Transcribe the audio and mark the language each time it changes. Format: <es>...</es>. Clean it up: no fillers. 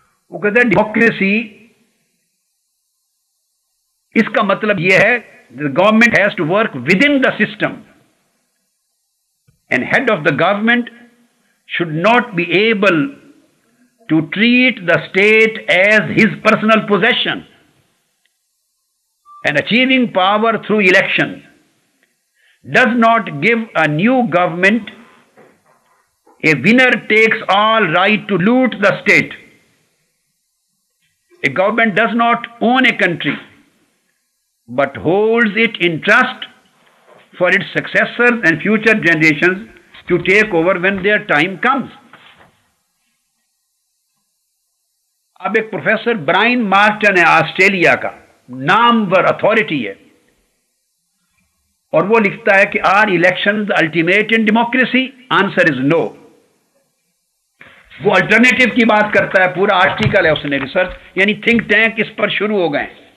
<hi>वो कहते हैं डेमोक्रेसी इसका मतलब ये है</hi> <en>The government has to work with in the system and head of the government should not be able to treat the state as his personal possession and achieving power through elections does not give a new government a winner takes all right to loot the state. A government does not own a country but holds it in trust for its successors and future generations to take over when their time comes.</en> <hi>Ab ek professor Brian Marston hai Australia ka, Namvar authority है, और वो लिखता है कि</hi> <en>Are election ultimate in democracy, answer is no.</en> <hi>वो alternative की बात करता है, पूरा आर्टिकल है उसने, रिसर्च यानी थिंक टैंक इस पर शुरू हो गए.</hi>